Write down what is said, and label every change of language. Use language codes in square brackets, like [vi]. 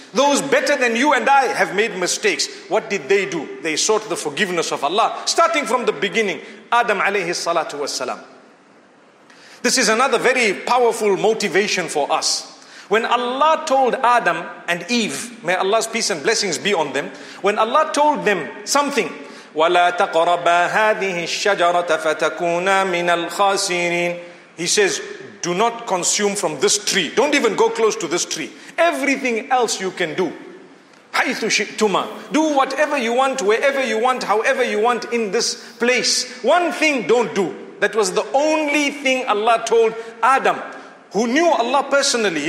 [en] Those better than you and I have made mistakes. What did they do? They sought the forgiveness of Allah. Starting from the beginning, Adam [ar] alayhi salatu wasalam. [en] This is another very powerful motivation for us. When Allah told Adam and Eve, may Allah's peace and blessings be on them. When Allah told them something, [ar] وَلَا تَقْرَبَا هَذِهِ الشَّجَرَةَ فَتَكُونَا مِنَ الْخَاسِرِينَ. [en] He says, do not consume from this tree. Don't even go close to this tree. Everything else you can do. [ar] حَيْثُ شِئْتُمَا. [en] Do whatever you want, wherever you want, however you want in this place. One thing don't do. That was the only thing Allah told Adam, who knew Allah personally.